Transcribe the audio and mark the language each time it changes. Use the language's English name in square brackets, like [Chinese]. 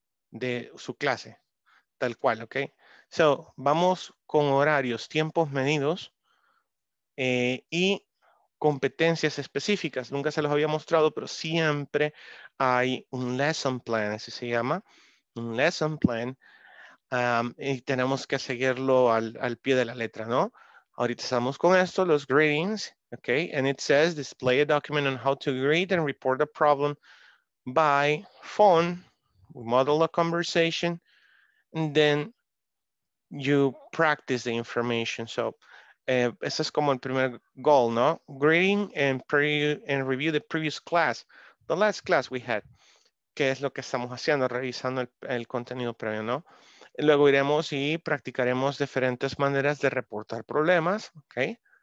[Spanish] De su clase, tal cual, ¿ok? So, vamos con horarios, tiempos medidos y competencias específicas. Nunca se los había mostrado, pero siempre hay un lesson plan, así se llama. Un lesson plan, y tenemos que seguirlo al pie de la letra, ¿no? Ahorita estamos con esto, los greetings, okay? [English] And it says, display a document on how to greet and report a problem by phone. We model a conversation, and then you practice the information. So, [Spanish] ese es como el primer goal, ¿no? [English] Greeting and review the previous class, the last class we had. [Spanish] Qué es lo que estamos haciendo, revisando el contenido previo, ¿no? Luego iremos y practicaremos diferentes maneras de reportar problemas, ¿ok?